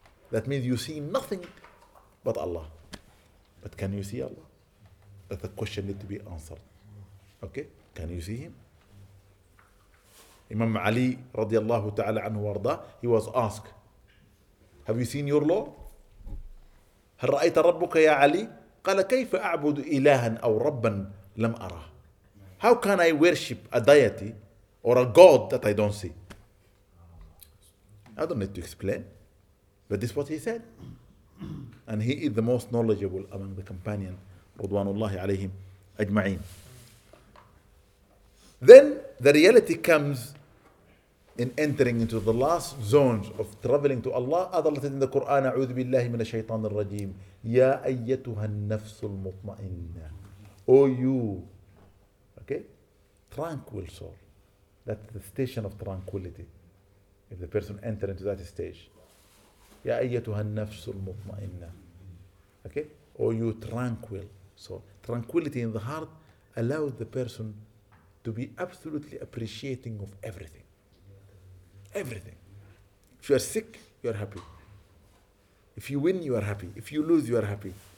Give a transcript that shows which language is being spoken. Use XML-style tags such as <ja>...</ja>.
<en>That means you see nothing but Allah. But can you see Allah? That's the question need to be answered. Okay? Can you see Him? Imam Ali radiallahu ta'ala anhu warda, he was asked, have you seen your Lord?</en> <ar>هل رأيت ربك يا علي؟ قال كيف أعبد إلها أو ربا لم أره؟</ar> <en>How can I worship a deity or a god that I don't see? I don't need to explain. But this is what he said. And he is the most knowledgeable among the companions,</en> <ar>رضوان الله عليهم أجمعين.</ar> <en>Then the reality comes in entering into the last zones of traveling to Allah. Adalat in the Quran,</en> <ar>أعوذ بالله من الشيطان الرجيم. يا أيتها النفس المطمئنة.</ar> <en>O you. Okay? Tranquil soul. That's the station of tranquility. If the person enters into that stage.</en> <ar>يا أيتها النفس المطمئنة.</ar> <en>Okay? O you tranquil soul. Tranquility in the heart allows the person to be absolutely appreciating of everything. Everything. If you are sick, you are happy. If you win, you are happy. If you lose, you are happy.</en>